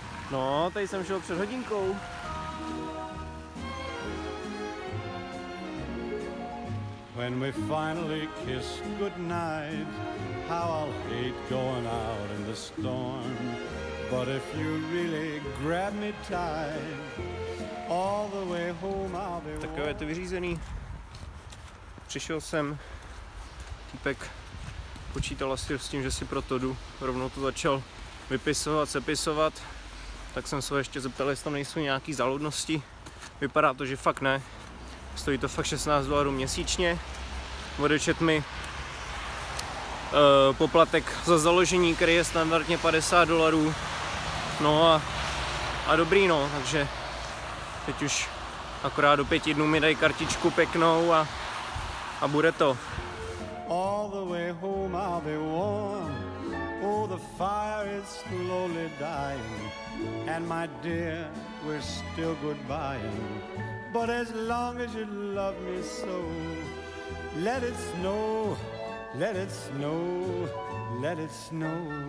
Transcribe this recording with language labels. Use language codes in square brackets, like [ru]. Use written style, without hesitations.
[cs] No, tady jsem šel před hodinkou. [en] When we finally kiss goodnight, how I'll hate going out in the storm. But if you really grab me tight, all the way home I'll be warm. [cs] Tak jo, je to vyřízený. Přišel jsem, týpek počítal asi s tím, že si proto jdu. Rovnou to začal vypisovat, sepisovat. Tak jsem se ještě zeptal, jestli tam nejsou nějaký záludnosti. Vypadá to, že fakt ne. Stojí to fakt $16 měsíčně. Odečet mi poplatek za založení, který je standardně $50. No a dobrý, no. Takže teď už akorát do 5 dnů mi dají kartičku pěknou a bude to. [en] All the way home I'll be warm. Oh, the fire is slowly dying. And my dear, we're still goodbye. But as long as you love me so, let it snow, let it snow, let it snow.